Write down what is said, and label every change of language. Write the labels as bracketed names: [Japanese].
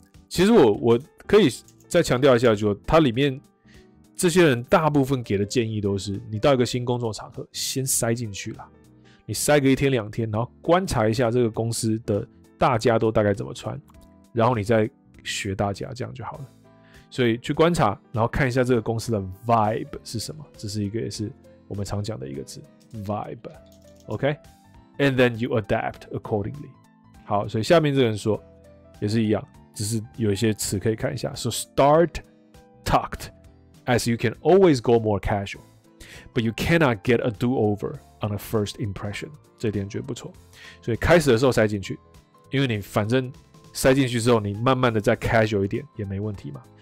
[Chinese] 其实我可以再强调一下，就它里面这些人大部分给的建议都是，你到一个新工作场合先塞进去啦，你塞个一天两天，然后观察一下这个公司的大家都大概怎么穿，然后你再学大家，这样就好了。所以去观察，然后看一下这个公司的 vibe 是什么，这是一个也是我们常讲的一个字 vibe， OK， [English] and then you adapt accordingly。 [Chinese] 好，所以下面这个人说也是一样，只是有一些词可以看一下。 [English] So start tucked as you can always go more casual but you cannot get a do over on a first impression， [Chinese] 这点觉得不错。所以开始的时候塞进去，因为你反正塞进去之后，你慢慢的再 casual 一点也没问题嘛。